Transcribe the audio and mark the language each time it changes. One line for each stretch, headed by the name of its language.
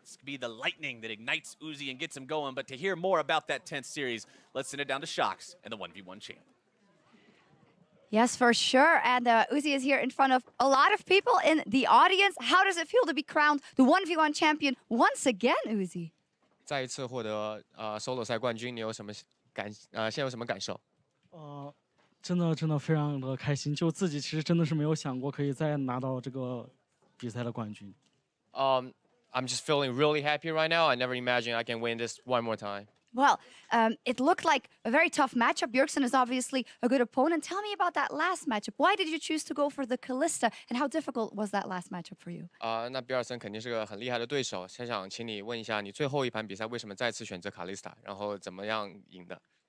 English: This could be the lightning that ignites Uzi and gets him going. But to hear more about that 10th series, let's send it down to Shox and the 1v1 champ. Yes, for sure. And Uzi is here in front of a lot of people in the audience. How does it feel to be crowned the 1v1 champion once again, Uzi?
Chinese: 再一次获得 solo 赛冠军，你有什么感？现在有什么感受？真的非常的开心，就自己其实真的是没有想过可以再拿到这个比赛的冠军。
English: I'm just feeling really happy right now. I never imagined I can win this one more time. Well, it looked like a very tough matchup. Bjergsen is obviously a good opponent. Tell me about that last matchup. Why did you choose to go for the Kalista, and how difficult was that last matchup for you?
Chinese: Bjergsen肯定是个很厉害的对手，想请你问一下，你最后一盘比赛为什么再次选择卡丽斯塔，然后怎么样赢的？